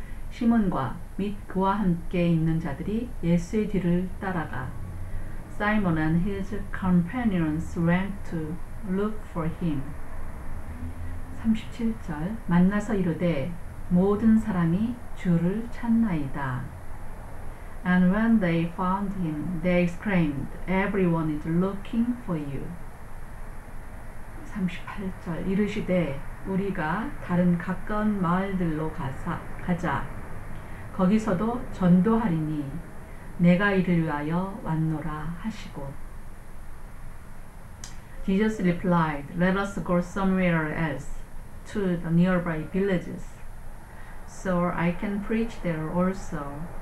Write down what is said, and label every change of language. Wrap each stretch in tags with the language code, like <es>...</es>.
<ko>시몬과 및 그와 함께 있는 자들이 예수의 뒤를 따라가</ko> <en>Simon and his companions went to look for him.</en> <ko>37절 만나서 이르되 모든 사람이 주를 찾나이다.</ko> <en>And when they found him, they exclaimed, Everyone is looking for you.</en> <ko>38절 이르시되 우리가 다른 가까운 마을들로 가자. 거기서도 전도하리니 내가 이를 위하여 왔노라 하시고</ko> <en>Jesus replied, Let us go somewhere else to the nearby villages so I can preach there also.</en>